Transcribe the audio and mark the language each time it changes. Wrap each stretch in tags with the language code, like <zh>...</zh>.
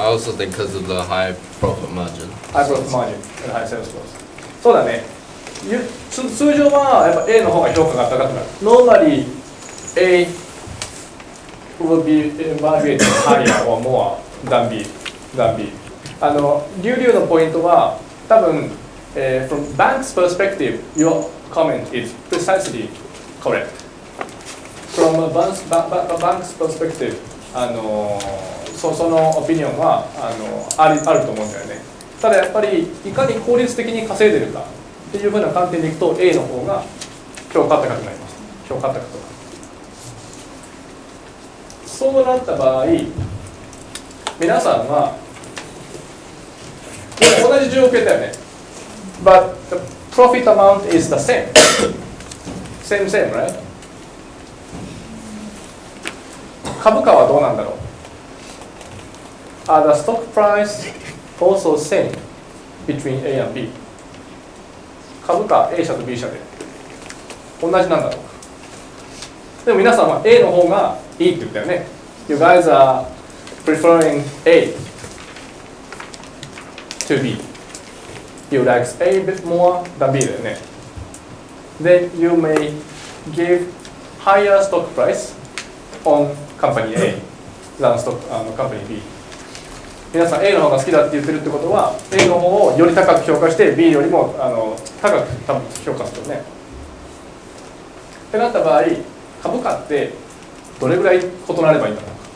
<en>I also think because of the high profit margin. High profit margin and high sales growth.</en> <ja>そうだね。通常はやっぱ A の方が評価が高くなる。 Normally A will be valued higher or more than B.</ja> <en>Than B.</en> <ja>あの、リュウのポイントは多分、</ja> <en>from bank's perspective, your comment is precisely correct. From a bank's perspective,</en> <ja>あの、そのオピニオンはあの、あると思うんだよね。ただやっぱりいかに効率的に稼いでるかっていうふうな観点でいくと A の方が評価高くなります。評価高くとか。そうなった場合、皆さんは同じ条件だよね。</ja> <en>But the profit amount is the same. Same, same, right?</en> <ja>株価はどうなんだろう。</ja> <en>Are the stock price also same between A and B?</en> <ja>株価 A 社と B 社で同じなんだろう。でも皆さんは A の方がいいって言ったよね。</ja> <en>You guys are preferring A to B. You like A a bit more than B,</en> <ja>だよね。</ja> <en>Then you may give higher stock price on company A than stock, company B.</en> <ja>皆さん A の方が好きだって言ってるってことは A の方をより高く評価して B よりもあの高く多分評価するよね。ってなった場合、株価ってどれぐらい異なればいいんだろう。</ja>